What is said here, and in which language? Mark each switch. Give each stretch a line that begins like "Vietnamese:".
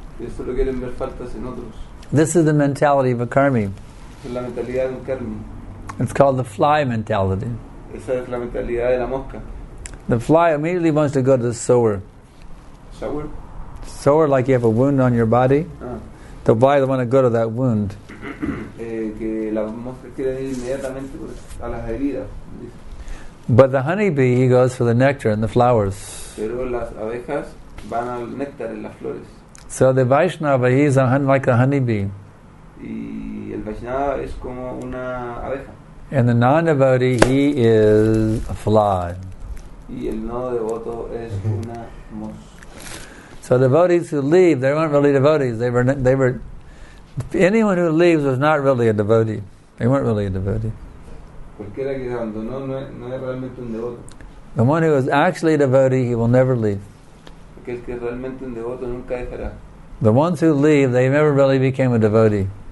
English: This is the mentality of a karmi.
Spanish: La mentalidad de un karmi.
English: It's called the fly mentality.
Spanish: Esa es la mentalidad de la mosca.
English: The fly immediately wants to go to the sower. Sower? Sower, like you have a wound on your body. The fly wants to go to that wound.
Spanish: Que la mosca quiere ir inmediatamente a las heridas.
English: But the honeybee, he goes for the nectar and the flowers.
Spanish: Pero las abejas van al néctar en las flores.
English: So the Vaishnava, he's like a honeybee.
Spanish: Y el Vaishnava es como una abeja.
English: And the non-devotee, he is a fly.
Spanish: Y el no devoto es una mosca.
English: So the devotees who leave, they weren't really devotees. They were. Anyone who leaves was not really a devotee. They weren't really a devotee.
Spanish: Cualquiera que abandonó no es realmente un devoto.
English: The one who is actually a devotee, he will never leave.
Spanish: Aquel que realmente un devoto nunca dejará.
English: The ones who leave, they never really became a devotee.